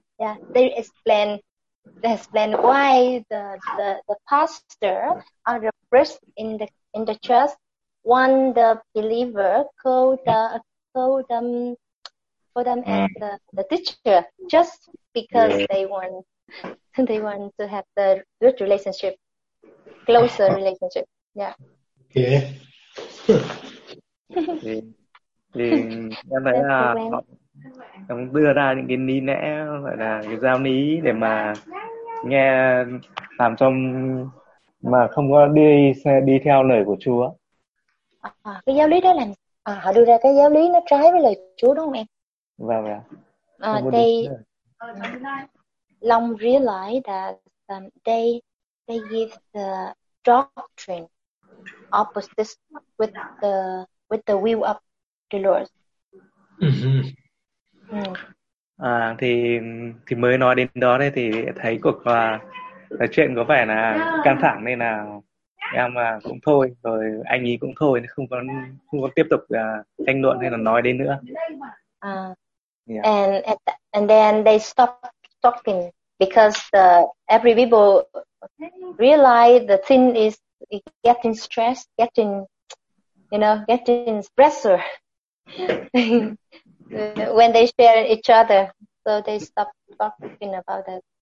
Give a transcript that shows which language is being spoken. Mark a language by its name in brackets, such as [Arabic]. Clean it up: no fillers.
[English] Yeah, they explain. That's then why the pastor or the priest in the church want the believer call them for them as the teacher just because yeah. they want to have the good relationship, closer relationship. Yeah. Okay. [Vietnamese] Thì em thấy là họ đưa ra những cái lý lẽ gọi là cái giao lý để mà nghe làm cho mà không có đi theo lời của Chúa. À, cái giáo lý đó là họ đưa ra cái giáo lý nó trái với lời Chúa đúng không em? Vâng ạ. [English] They long realized that they give the doctrine opposite with the will of the Lord. [Vietnamese] À, thì mới nói đến đó đấy thì thấy cuộc là chuyện có vẻ là căng thẳng nên là em mà cũng thôi rồi anh ấy cũng thôi không có tiếp tục tranh luận hay là nói đến nữa. [English] And then they stop talking because every people realize the thing is getting stressed, getting stressor when they share each other, so they stop talking about that.